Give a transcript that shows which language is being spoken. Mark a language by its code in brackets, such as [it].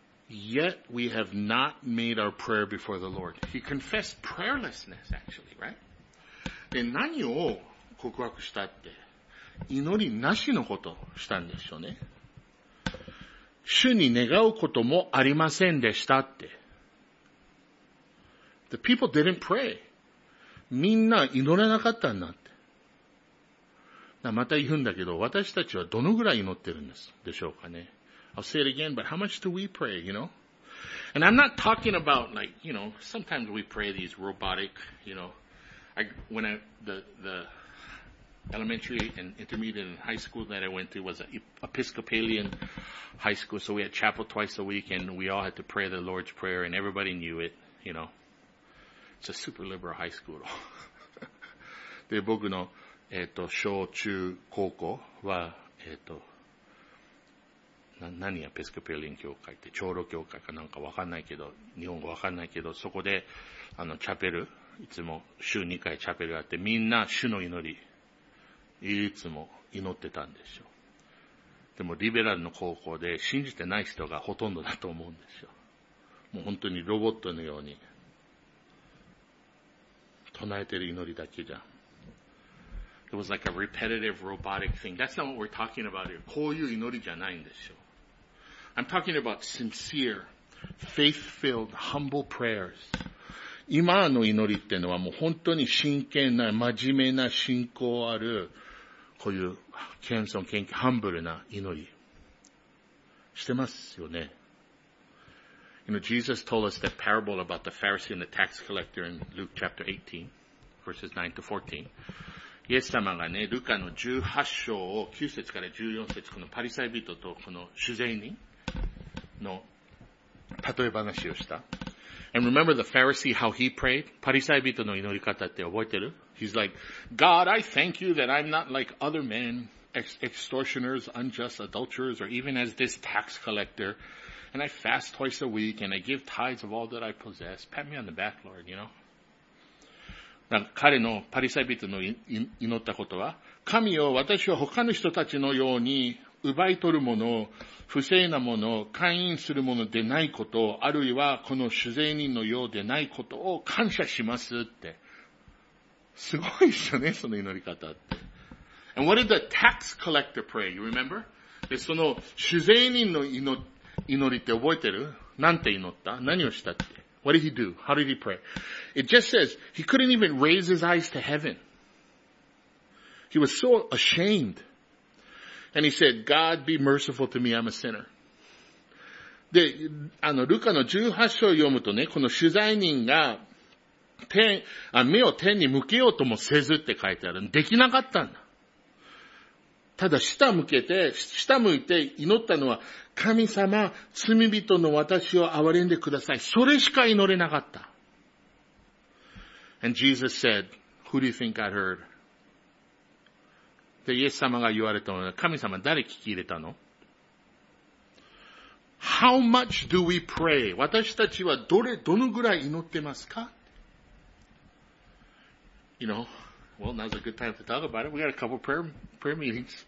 [en] Yet we have not made our prayer before the Lord. He confessed prayerlessness, actually, right? [ja] で、何を告白したって、祈りなしのことしたんでしょうね。主に願うこともありませんでしたって。 [en] The people didn't pray. [ja] みんな祈らなかったんだって。だまた言うんだけど、私たちはどのぐらい祈ってるんですでしょうかね。 [en] I'll say it again, but how much do we pray, you know? And I'm not talking about like, you know, sometimes we pray these robotic, you know, when the elementary and intermediate and high school that I went to was an Episcopalian high school, so we had chapel twice a week and we all had to pray the Lord's Prayer and everybody knew it, you know. It's a super liberal high school. [ja] で、僕の、小中高校は、何やペスカペリン教会って、長老教会かなんかわかんないけど、日本語わかんないけど、そこで、チャペル、いつも週2回チャペルあって、みんな主の祈り、いつも祈ってたんでしょ。でも、リベラルの高校で信じてない人がほとんどだと思うんでしょ。もう本当にロボットのように、唱えてる祈りだけじゃん。 [en] It was like a repetitive robotic thing. That's not what we're talking about here. [ja] こういう祈りじゃないんでしょ。 [en] I'm talking about sincere, faith-filled, humble prayers. [ja] 今の祈りってのはもう本当に真剣な、真面目な信仰ある、こういう謙遜、謙虚、ハンブルな祈り。してますよね。 [en] You know, Jesus told us that parable about the Pharisee and the tax collector in Luke chapter 18, verses 9 to 14. [ja] イエス様がね、ルカの18章を9節から14節、このパリサイ人とこの主税人の例え話をした。 [en] And remember the Pharisee, how he prayed? [ja] パリサイ人の祈り方って覚えてる? [en] He's like, God, I thank you that I'm not like other men, extortioners, unjust adulterers, or even as this tax collector. And I fast twice a week, and I give tithes of all that I possess. Pat me on the back, Lord, you know? [ja] なんか彼のパリサイ人の祈ったことは、神よ、私は他の人たちのように奪い取るもの、不正なもの、勧誘するものでないこと、あるいはこの主税人のようでないことを感謝しますって。すごいですよね、その祈り方って。 [en] And what did the tax collector pray? You remember? [ja] で、その主税人の祈りって覚えてる? なんて祈った?何をしたって。 [en] What did he do? How did he pray? It just says he couldn't even raise his eyes to heaven. He was so ashamed. And he said, God be merciful to me, I'm a sinner. [ja] で、ルカの18章を読むとね、この取材人が目を天に向けようともせずって書いてある。できなかったんだ。ただ下向いて祈ったのは、神様、罪人の私を憐れんでください。それしか祈れなかった。 [en] And Jesus said, Who do you think I heard? [ja] で、イエス様が言われたのは、神様誰聞き入れたの? [en] How much do we pray? [ja] 私たちはどのぐらい祈ってますか? [en] You know, well, now's a good time to talk about it. We got a couple of prayer meetings.